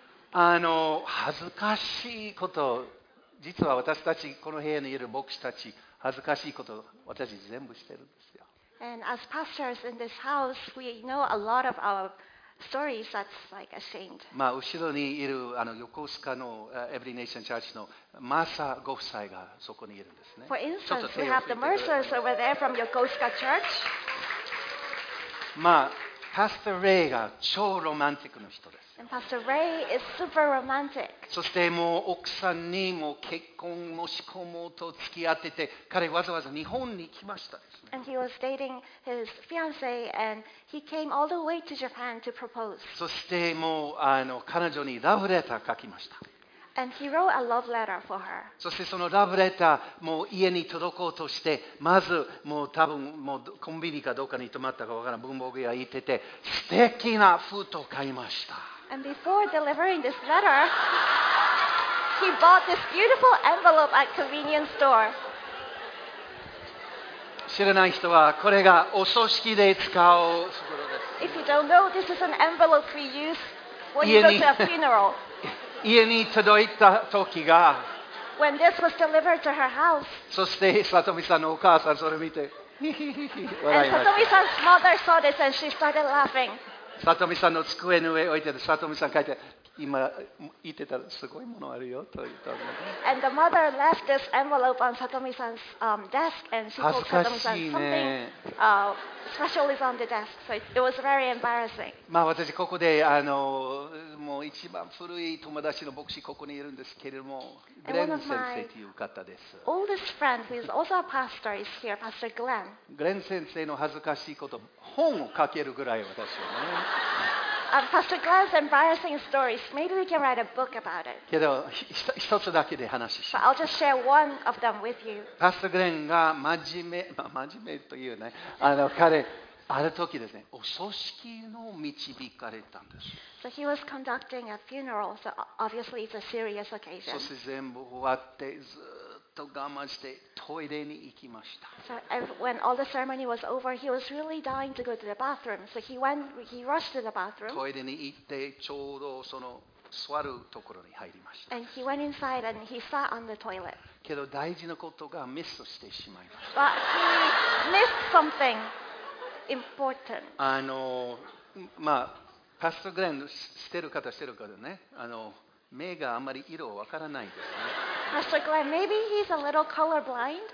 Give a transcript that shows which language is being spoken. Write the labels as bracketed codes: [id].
[ja] あの、恥ずかしいこと、実は私たちこの部屋にいる牧師たち、恥ずかしいこと私全部してるんですよ。 [en] And as pastors in this house, we know a lot of our stories that's like ashamed. [ja] まあ後ろにいるあの横須賀のエブリネーションチャーチのマーサーご夫妻がそこにいるんですね。 [en] For instance, we have the Mercers over there from Yokosuka Church. [ja] まあ、Pastor Ray が超ロマンティックの人です。 [en] And Pastor Ray is super romantic. [ja] そしてもう奥さんにも結婚申し込もうと付き合ってて、彼わざわざ日本に来ましたですね。 [en] And he was dating his fiance and he came all the way to Japan to propose. [ja] そしてもうあの彼女にラブレター書きました。 [en] And he wrote a love letter for her. [ja] そしてそのラブレターもう家に届こうとして、まずもう多分もうコンビニかどうかに泊まったかわからん文房具屋行ってて、素敵な封筒買いました。 [en] And before delivering this letter, he bought this beautiful envelope at a convenience store. [ja] 知らない人はこれがお葬式で使う袋です。 [en] If you don't know, this is an envelope we use when you go to a funeral. [ja] 家に届いた時が。 [en] When this was delivered to her house. [ja] そして里美さんのお母さんそれ見て。 [en] And Satomi-san's mother saw this and she started laughing. [ja] さとみさんの机の上置いてて、さとみさん書いて、今言ってたらすごいものあるよと言ったの。 [en] And the mother left this envelope on Satomi-san's desk, and she told Satomi-san something special is on the desk. So it was very embarrassing. [ja] まあ私ここであのもう一番古い友達の牧師ここにいるんですけれども、グレン先生という方です。 [en] And one of my oldest friend, who is also a pastor, is here, Pastor Glenn. [ja] グレン先生の恥ずかしいこと、本を書けるぐらい私はね。 [en] Pastor Glenn's embarrassing stories. Maybe we can write a book about it. [ja] けど一つだけで話しします。 [en] But I'll just share one of them with you. [ja] Pastor Glenn が真面目、真面目というね、あの彼ある時ですね、お葬式の導かれたんです。 [en] So he was conducting a funeral. So obviously it's a serious occasion. [ja] そして全部終わってずっと我慢してトイレに行きました。 [en] So when all the ceremony was over, he was really dying to go to the bathroom. So he rushed to the bathroom. [ja] トイレに行ってちょうどその座るところに入りました。 [en] And he went inside and he sat on the toilet. [ja] けど大事なことがミスしてしまいました。 [en] But he missed something important. [ja] あのまあパスト・グレンしてる方してる方ね、あの目があまり色をわからないですね。 [en] Pastor Glenn, maybe he's a little colorblind?